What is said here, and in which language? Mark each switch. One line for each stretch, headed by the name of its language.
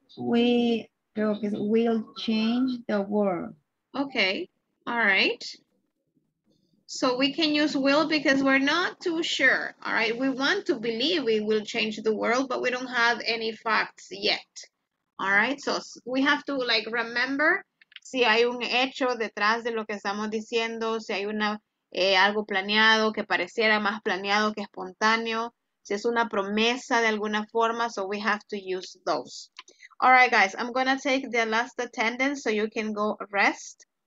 English: We
Spanish: creo que
English: will change the world. Okay, all right. So we can use will because we're not too sure, all right? We want to believe we will change the world, but we don't have any facts yet, all right? So we have to, like, remember
Spanish: si hay un hecho detrás de lo que estamos diciendo, si hay una algo planeado que pareciera más planeado que espontáneo, si es una promesa de alguna forma,
English: so we have to use those. All right, guys, I'm going to take the last attendance so you can go rest.